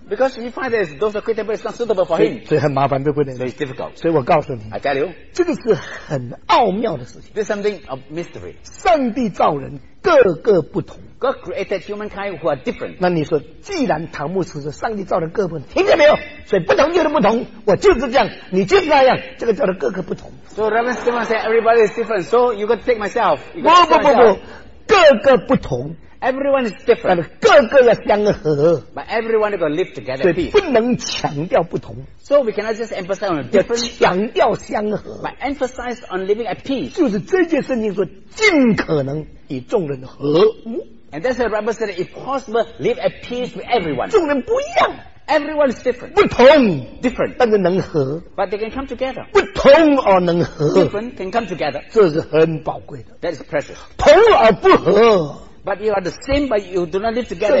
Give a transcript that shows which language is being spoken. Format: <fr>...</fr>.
<en>Because he finds that those quick tempo is not suitable for him.</en> <zh>所以很麻烦，对不对？</zh> <en>So it's difficult.</en> <zh>所以我告诉你。</zh> <en>I tell you.</en> <zh>这个是很奥妙的事情。</zh> <en>This is something of mystery.</en> <zh>上帝造人各个不同。</zh> <en>God created humankind who are different.</en> <zh>那你说，既然唐牧师说上帝造人各个不同，听见没有？所以不同就是不同，我就是这样，你就是那样，这个叫做各个不同。</zh> <en>So Reverend Stephen said everybody is different. So you got to take myself.</en> <zh>不，各个不同。</zh> <en>Everyone is different.</en> <zh>但各个要相合。</zh> <en>But everyone got to live together.</en> <zh>所以不能强调不同。</zh> <en>So we cannot just emphasize on different.</en> <zh>强调相合。</zh> <en>But emphasize on living at peace.</en> <zh>就是这件事情说，尽可能与众人和睦。</zh> <en>And that's why the Bible said, if possible, live at peace with everyone.</en> <zh>众人不一样。</zh> <en>Everyone is different.</en> <zh>不同。</zh> <en>Different.</en> <zh>但是能和。</zh> <en>But they can come together.</en> <zh>不同而能和。</zh> <en>Different can come together.</en> <zh>这是很宝贵的。</zh> <en>That is precious.</en> <zh>同而不和。</zh> <en>But you are the same, but you do not live together.</en>